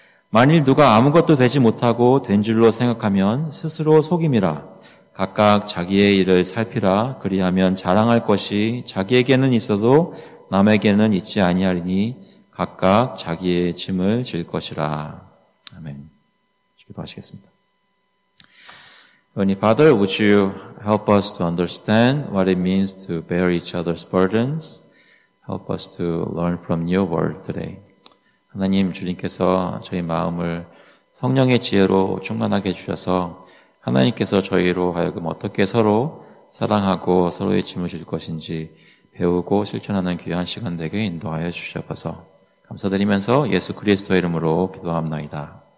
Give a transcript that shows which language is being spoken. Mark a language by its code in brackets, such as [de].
[ko] 만일 누가 아무것도 되지 못하고 된 줄로 생각하면 스스로 속임이라. 각각 자기의 일을 살피라. 그리하면 자랑할 것이 자기에게는 있어도 남에게는 있지 아니하리니 각각 자기의 짐을 질 것이라. 아멘. 기도하시겠습니다. [en] Heavenly Father, would you help us to understand what it means to bear each other's burdens? Help us to learn from your word today. [ko] 하나님 주님께서 저희 마음을 성령의 지혜로 충만하게 해주셔서 하나님께서 저희로 하여금 어떻게 서로 사랑하고 서로의 짐을 질 것인지 배우고 실천하는 귀한 시간 되게 인도하여 주셔서 감사드리면서 예수 그리스도의 이름으로 기도합니다.